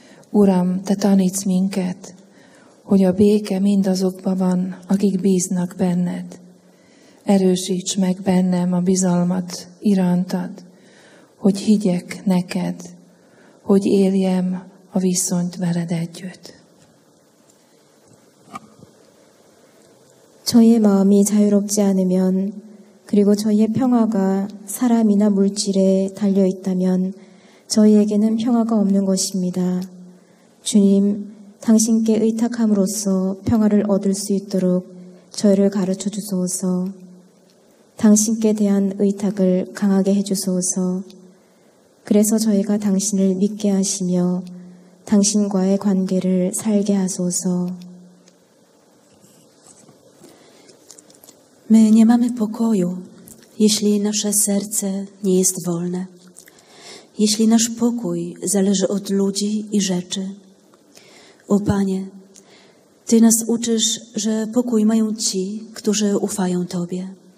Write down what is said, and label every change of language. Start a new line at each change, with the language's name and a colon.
Hungarian: Uram, Te taníts minket, hogy a béke mindazokban van, akik bíznak benned. Erősíts meg bennem a bizalmat irántad, hogy higgyek neked, hogy éljem a viszonyt veled együtt.
Korean: 저희의 마음이 자유롭지 않으면 그리고 저희의 평화가 사람이나 물질에 달려있다면 저희에게는 평화가 없는 것입니다. 주님, 당신께 의탁함으로써 평화를 얻을 수 있도록 저희를 가르쳐 주소서. 당신께 대한 의탁을 강하게 해주소서. 그래서 저희가 당신을 믿게 하시며 당신과의 관계를 살게 하소서.
Polish: My nie mamy pokoju, jeśli nasze serce nie jest wolne. Jeśli nasz pokój zależy od ludzi i rzeczy. O Panie, Ty nas uczysz, że pokój mają ci, którzy ufają Tobie.